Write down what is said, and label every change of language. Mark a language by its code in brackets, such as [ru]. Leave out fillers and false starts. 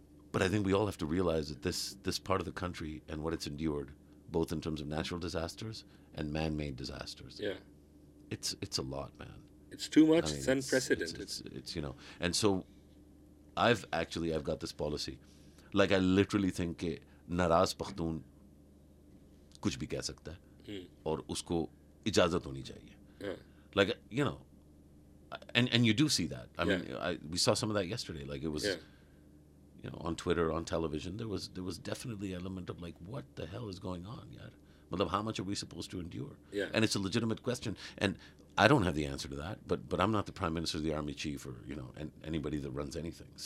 [en] But I think we all have to realize that this part of the country and what it's endured, both in terms of natural disasters and man-made disasters. Yeah. It's a lot, man. It's too much. I mean, it's unprecedented. It's you know. And so I've got this policy. Like, I literally think [ur] کہ ناراض پختون کچھ بھی کہہ سکتا ہے اور اس کو اجازت ہونی چاہیے۔ [en] Like, you know, and you do see that. I mean, we saw some of that yesterday. Like, it was, you know, on Twitter, on television, there was definitely an element of like, what the hell is going on, yaar? Matlab, how much are we supposed to endure? Yeah. And it's a legitimate question. And I don't have the answer to that, but I'm not the Prime Minister, the Army Chief, or, you know, and anybody that runs anything.